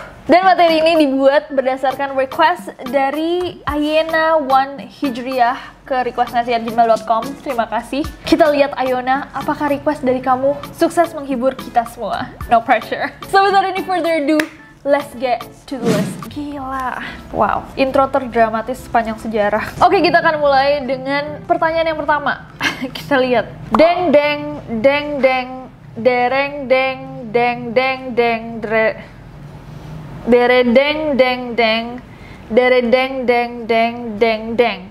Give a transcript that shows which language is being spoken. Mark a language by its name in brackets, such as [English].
[Indonesian] Dan materi ini dibuat berdasarkan request dari Ayena One Hijriah ke requestnasi@gmail.com. Terima kasih. Kita lihat Ayona, apakah request dari kamu sukses menghibur kita semua? [English] No pressure. So without any further ado, let's get to the list. [Indonesian] Gila. Wow, intro terdramatis sepanjang sejarah. Oke, kita akan mulai dengan pertanyaan yang pertama. Kita lihat. Deng deng deng deng dereng deng deng deng deng dre. Dere deng deng deng. Dere deng deng deng deng deng.